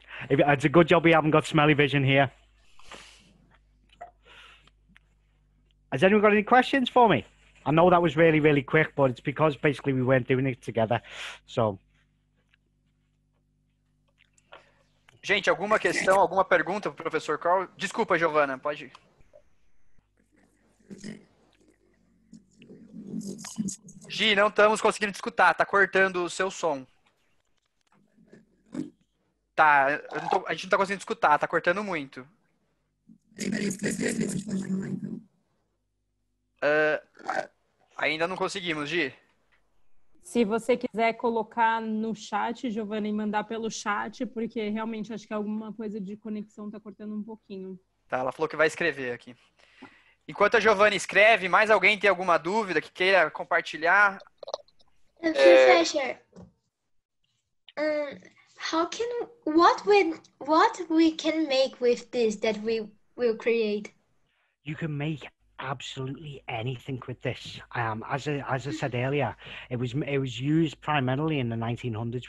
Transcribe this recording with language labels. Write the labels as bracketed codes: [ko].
[en] It's a good job we haven't got smelly vision here. Has anyone got any questions for me? I know that was really, really quick, but it's because basically we weren't doing it together. So, [pt] gente, alguma questão, alguma pergunta pro professor Carl? Desculpa, Giovanna, pode ir. Gi, não estamos conseguindo te escutar, tá cortando o seu som. Tá, a gente não tá conseguindo te escutar, tá cortando muito. Ainda não conseguimos, Gi. Se você quiser colocar no chat, Giovanna, e mandar pelo chat, porque realmente acho que alguma coisa de conexão está cortando um pouquinho. Tá, ela falou que vai escrever aqui. Enquanto a Giovanna escreve, mais alguém tem alguma dúvida que queira compartilhar? [en] Professor, how can, what we can make with this that we We'll create. You can make absolutely anything with this. As I said earlier, it was used primarily in the 1900s.